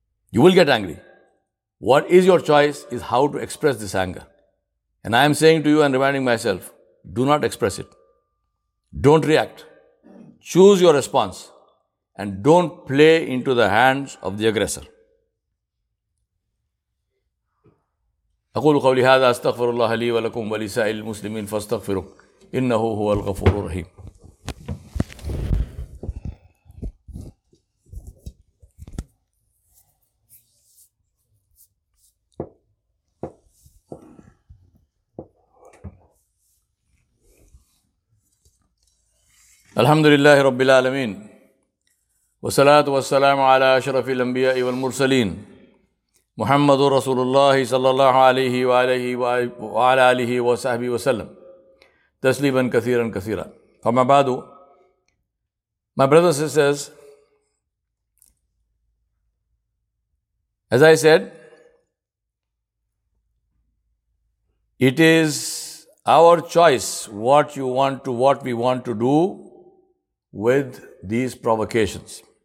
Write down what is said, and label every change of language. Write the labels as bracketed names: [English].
[English] You will get angry. What is your choice is how to express this anger. And I am saying to you and reminding myself, do not express it. Don't react. Choose your response. And don't play into the hands of the aggressor. [Arabic] أقول قولي هذا أستغفر الله لي ولكم ولسائر المسلمين فاستغفروه إنه هو الغفور الرحيم. الحمد لله رب العالمين والصلاة والسلام على أشرف الأنبياء والمرسلين محمد رسول الله صلى الله عليه وآله وعلى آله وصحبه وسلم تسليما كثيرا كثيرا. فما بعد, [English] my brothers and sisters, as I said, it is our choice what we want to do with these provocations.